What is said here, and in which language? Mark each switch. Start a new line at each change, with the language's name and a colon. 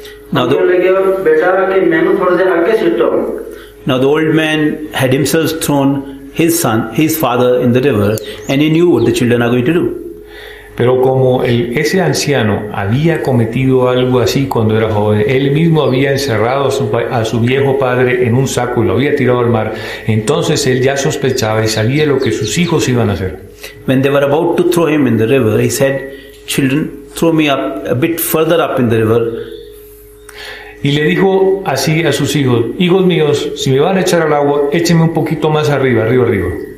English: Now the old man had himself thrown his father in the river, and he knew what the children are going to do.
Spanish: Pero como ese anciano había cometido algo así cuando era joven, él mismo había encerrado a su viejo padre en un saco y lo había tirado al mar, entonces él ya sospechaba y sabía lo que sus hijos iban a hacer.
English: When they were about to throw him in the river, he said, "Children, throw me up a bit further up in the river."
Spanish: Y le dijo así a sus hijos, hijos míos, si me van a echar al agua, échenme un poquito más arriba, arriba, arriba.